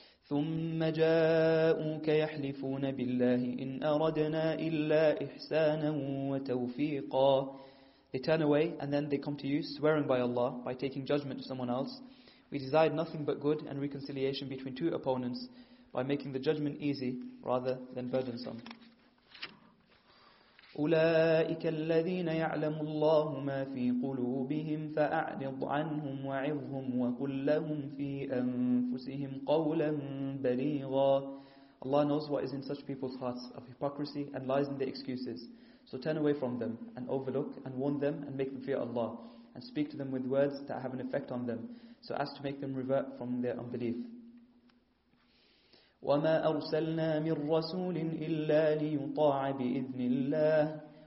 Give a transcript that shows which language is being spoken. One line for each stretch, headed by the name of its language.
Arabic: ثُمَّ جَاءُوكَ يَحْلِفُونَ بِاللَّهِ إِنْ أَرَدْنَا إِلَّا إِحْسَانًا وَتَوْفِيقًا.
English: They turn away and then they come to you swearing by Allah by taking judgment to someone else. We desired nothing but good and reconciliation between two opponents by making the judgment easy rather than burdensome.
Arabic: أولئك الذين يعلم الله ما في قلوبهم فأعرض عنهم وعظهم وقل لهم في أنفسهم قولا بليغا.
English: Allah knows what is in such people's hearts of hypocrisy and lies in their excuses. So turn away from them and overlook and warn them and make them fear Allah and speak to them with words that have an effect on them so as to make them revert from their unbelief.
Arabic: وَمَا أَرْسَلْنَا مِنْ رَسُولٍ إِلَّا لِيُطَاعَ بِإِذْنِ اللَّهِ.